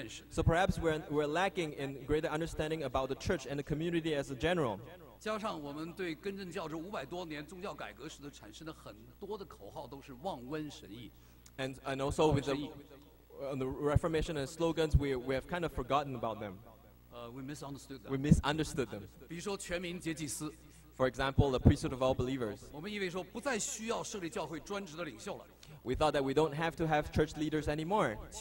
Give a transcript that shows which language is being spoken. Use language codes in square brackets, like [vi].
[en] So perhaps we're lacking in greater understanding about the church and the community as a general. [zh] 加上我们对更正教这500多年宗教改革时的产生的很多的口号都是望温神意。 [en] And also with the Reformation and slogans, we have kind of forgotten about them. We misunderstood them. [zh] 比如说全民皆祭司, [en] For example, the priesthood of all believers. [zh] 我们以为说不再需要设立教会专职的领袖了。 [en] We thought that we don't have to have church leaders anymore.